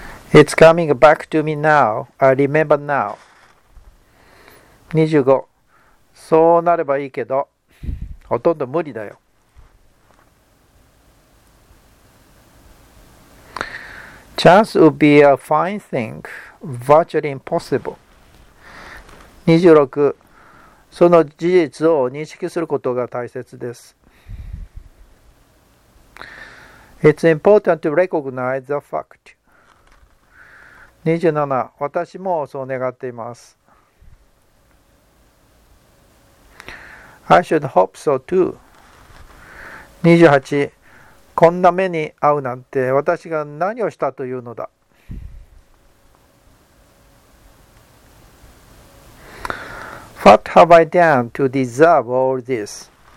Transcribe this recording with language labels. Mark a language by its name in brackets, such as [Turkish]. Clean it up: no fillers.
[English] It's coming back to me now. I remember now. 25. [Japanese] そうなればいいけど、ほとんど無理だよ。 [English] Chance would be a fine thing. Virtually impossible. [Japanese] 26、その事実を認識することが大切です。 [English] It's important to recognize the fact. [Japanese] 27、私もそう願っています。 [English] I should hope so too. [Japanese] 28、こんな目に遭うなんて私が何をしたというのだ。 [English] What have I done to deserve all this?